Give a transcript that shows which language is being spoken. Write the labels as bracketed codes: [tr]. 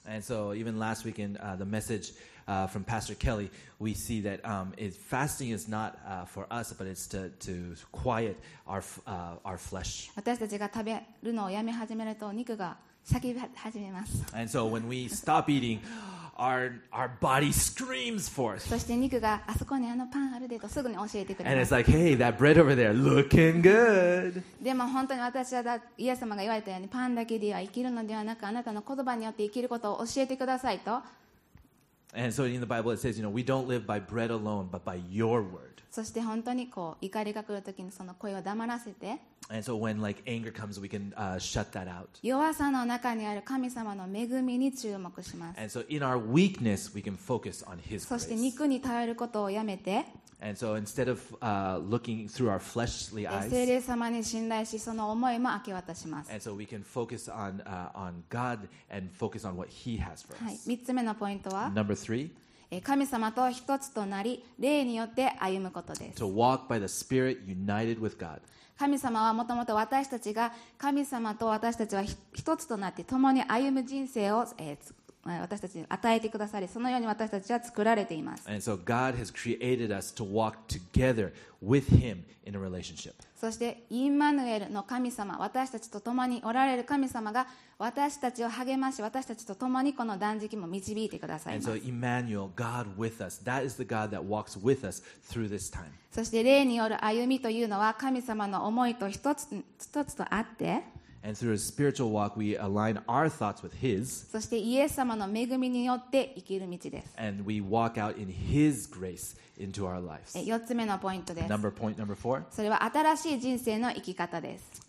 [en] And so even last week in, the message, from Pastor Kelly, we see that, fasting is not, for us, but it's to quiet our, our flesh. [ja] 私たちが食べるのをやめ始めると、肉が叫び始めます。 [en] And so when we stop eating, our body screams forth. [ja] そして肉があそこにあのパンあるでとすぐに教えてくれます。 [en] And it's like, hey, that bread over there looking good. [ja] でも本当に私はイエス様が言われたようにパンだけでは生きるのではなくあなたの言葉によって生きることを教えてくださいと。 [en] And so in the Bible it says, you know, we don't live by bread alone, but by your word. [ja] そして本当にこう怒りが来るときにその声を黙らせて。 [en] And so when like anger comes, we can shut that out. [ja] 弱さの中にある神様の恵みに注目します。 [en] And so in our weakness, we can focus on His grace. [ja] そして肉に頼ることをやめて。 [en] And so instead of looking through our fleshly eyes, [ja] 聖霊様に信頼しその思いも明け渡します。 [en] And so we can focus on God and focus on what He has for us. [ja] はい、三つ目のポイントは [en] Number three. [ja] 神様と一つとなり霊によって歩むことです。 [en] To walk by the Spirit united with God. [ja] 神様はもともと私たちが神様と私たちは一つとなって共に歩む人生を、私たちに与えてくださり、そのように私たちは作られています。 [en] And so God has created us to walk together with Him in a relationship. [ja] そしてインマヌエルの神様、私たちと共におられる神様が私たちを励まし、私たちと共にこの断食も導いてくださいます。 [en] And so Emmanuel, God with us, that is the God that walks with us through this time. [ja] そして霊による歩みというのは神様の思いと一つとあって、 [en] And through a spiritual walk, we align our thoughts with His. [ja] そしてイエス様の恵みによって生きる道です。 [en] And we walk out in His grace into our lives. [ja] 4つ目のポイントです。 [en] Point number four. [ja] それは新しい人生の生き方です。